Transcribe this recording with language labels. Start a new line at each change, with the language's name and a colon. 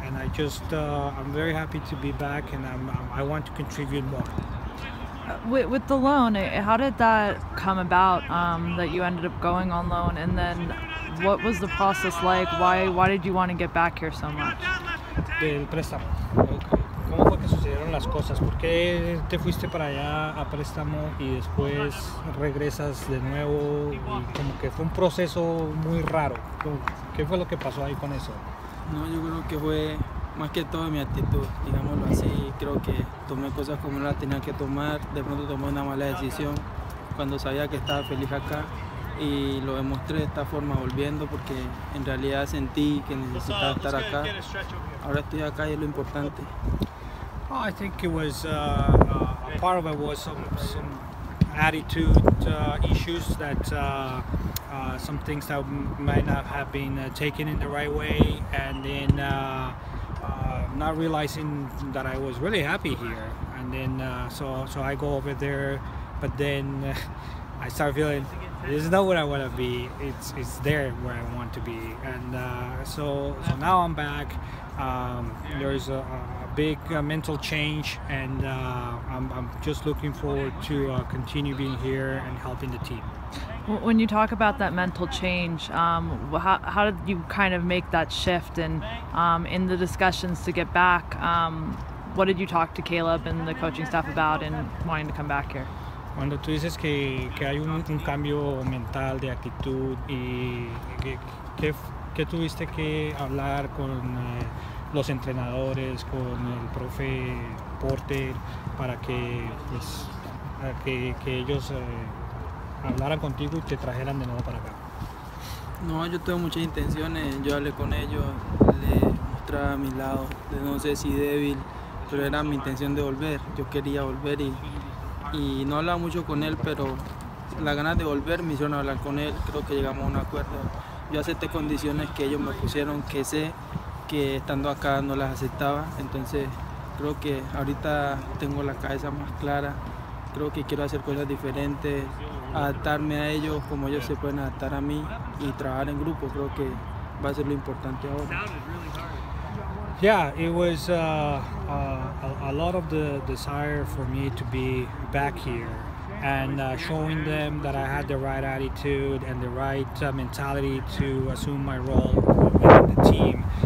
English: And I just, I'm very happy to be back, and I want to contribute more. With the loan, how did that come about, that you ended up going on loan, and then what was the process like? Why did you want to get back here so much?
Spanish: Del préstamo. Okay. ¿Cómo fue que sucedieron las cosas? ¿Por qué te fuiste para allá a préstamo y después regresas de nuevo? Y como que fue un proceso muy raro. ¿Qué fue lo que pasó ahí con eso? No, yo creo que fue más que todo mi actitud, digámoslo así. Creo que tomé cosas como no las tenía que tomar. De pronto tomé una mala decisión cuando sabía que estaba feliz acá. Y lo demostré de esta forma volviendo, porque en realidad sentí que necesitaba estar acá. Ahora estoy acá y es lo importante.
English: Well, I think it was a part of it was some attitude issues that some things that might not have been taken in the right way, and then not realizing that I was really happy here, and then so I go over there, but then I start feeling this is not where I want to be. It's there where I want to be, and so now I'm back. There's a big mental change, and I'm just looking forward to continue being here and helping the team. When you talk about that mental change, how did you kind of make that shift? And in the discussions to get back, what did you talk to Caleb and the coaching staff about in wanting to come back here?
Spanish: Cuando tú dices que hay un cambio mental de actitud, y qué tuviste que hablar con los entrenadores, con el profe Porter, para que pues que ellos hablaran contigo y te trajeran de nuevo para acá? No, yo tuve muchas intenciones. Yo hablé con ellos, les mostraba mi lado, de no sé si débil, pero era mi intención de volver. Yo quería volver y no hablaba mucho con él, pero las ganas de volver me hicieron hablar con él. Creo que llegamos a un acuerdo. Yo acepté condiciones que ellos me pusieron, que sé que estando acá no las aceptaba. Entonces, creo que ahorita tengo la cabeza más clara. Creo que quiero hacer cosas diferentes, adaptarme a ellos como ellos se pueden adaptar a mí y trabajar en grupo. Creo que va a ser lo importante ahora.
English: Yeah, it was a lot of the desire for me to be back here, and showing them that I had the right attitude and the right mentality to assume my role in the team.